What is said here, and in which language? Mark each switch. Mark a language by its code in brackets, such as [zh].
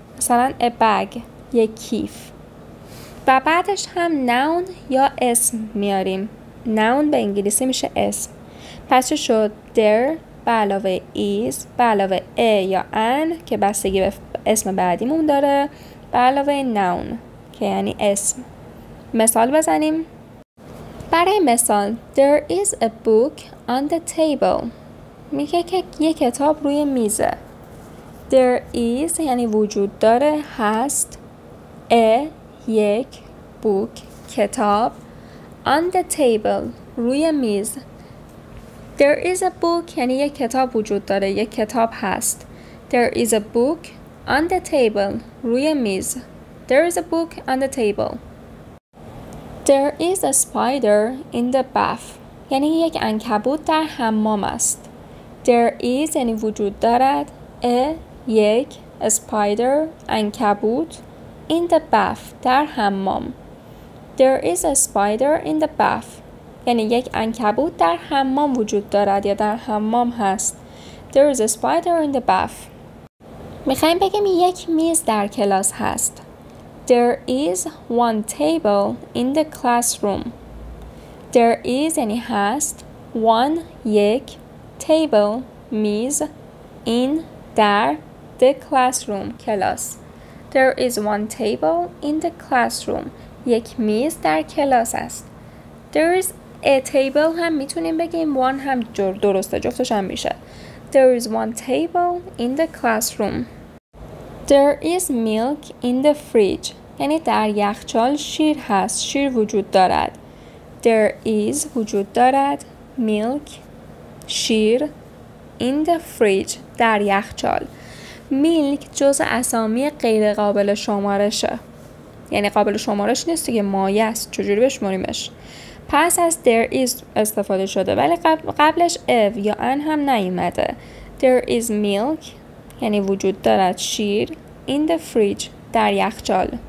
[fa] مثلا [en] a bag، [fa] یک کیف. و بعدش هم noun یا اسم میاریم. noun به انگلیسی میشه اسم. پس چه شد؟ there به علاوه is به علاوه a یا an که بستگی به اسم بعدیمون داره، به علاوه noun که یعنی اسم. مثال بزنیم. برای مثال [en] there is a book on the table. [fa] میگه که یک کتاب روی میزه. [en] there is [fa] یعنی وجود داره، هست. a یک، book کتاب. [en] on the table [fa] روی میز. [en] there is a book [fa] یعنی یک کتاب وجود داره، یک کتاب هست. [en] there is a book on the table [fa] روی میز. [en] there is a book on the table. there is a spider in the bath [fa] یعنی یک عنکبوت در حمام است. [en] there is [fa] یعنی وجود دارد، [en] a یک، a spider عنکبوت، in the bath [fa] در حمام. [en] there is a spider in the bath [fa] یعنی یک عنکبوت در حمام وجود دارد یا در حمام هست. [en] there is a spider in the bath. [fa] میخواییم بگیم یک میز در کلاس هست. [en] there is one table in the classroom. there is [fa] یعنی هست، [en] one یک، table میز، in در، the classroom کلاس. there is one table in the classroom، [fa] یک میز در کلاس است. [en] there is a table [fa] هم میتونیم بگیم، one هم درسته، جفتش هم میشه. [en] there is one table in the classroom. there is milk in the fridge [fa] یعنی در یخچال شیر هست، شیر وجود دارد. [en] there is [fa] وجود دارد، [en] milk شیر، in the fridge [fa] در یخچال. milk جز اسامی غیر قابل شمارشه، یعنی قابل شمارش نیست دیگه، مایه است، چجوری بشماریمش. پس از [en] there is [fa] استفاده شده، ولی قبلش if یا an هم نیومده. [en] there is milk [fa] یعنی وجود دارد شیر، [en] in the fridge [fa] در یخچال.